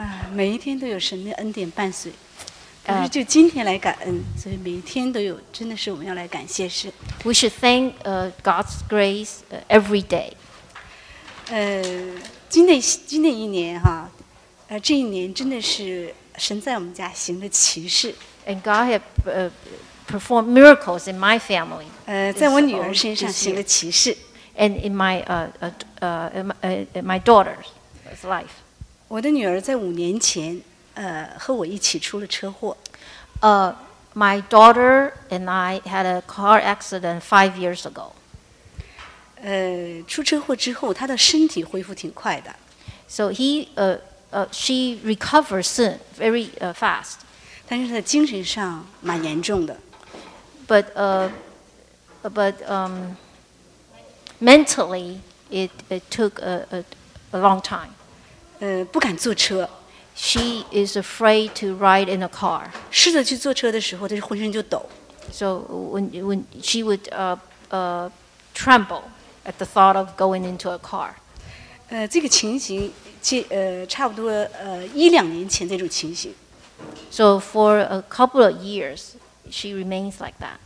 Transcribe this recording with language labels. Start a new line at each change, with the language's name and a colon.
Chinese: 每一天都有神的恩典伴随，可是就今天来感恩，所以每一天都有，真的是我们要来感谢神。
English: We should thank God's grace every day.
Chinese: 今年一年哈，这一年真的是神在我们家行了奇事。
English: And God have performed miracles in my family.
Chinese: 在我女儿身上行了奇事。
English: And in my daughter's life.
Chinese: 我的女儿在五年前，和我一起出了车祸。
English: My daughter and I had a car accident 5 years ago.
Chinese: 出车祸之后，她的身体恢复挺快的。
English: So she recovered soon, very fast.
Chinese: 但是她精神上蛮严重的。
English: But mentally it took a long time.
Chinese: 不敢坐车。
English: She is afraid to ride in a car.
Chinese: 试着去坐车的时候，她就浑身就抖。
English: So when she would tremble at the thought of going into a car.
Chinese: 这个情形，差不多一两年前这种情形。
English: So for a couple of years, she remains like that.